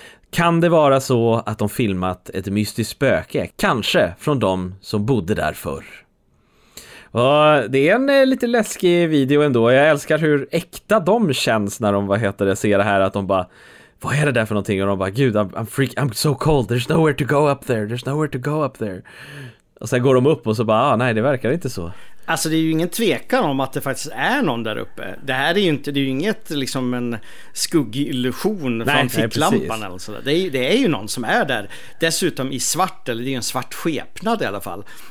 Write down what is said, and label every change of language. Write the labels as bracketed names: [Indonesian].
[Swedish] Kan det vara så att de filmat ett mystiskt spöke, kanske från de som bodde där förr? Och det är en lite läskig video ändå. Jag älskar hur äkta de känns när de, vad heter det, ser det här, att de bara, vad är det där för någonting? Och de bara, gud, [English] I'm so cold, there's nowhere to go up there, there's nowhere to go up there. [Swedish] Och sen går de upp och så bara, ah, nej, det verkar inte så. Alltså det är ju ingen tvekan om att det faktiskt är någon där uppe. Det här är ju inte, det är ju inget liksom en skuggillusion från ficklampan eller sådär. Det är ju någon som är där, dessutom i svart, eller det är ju en svart skepnad i alla fall.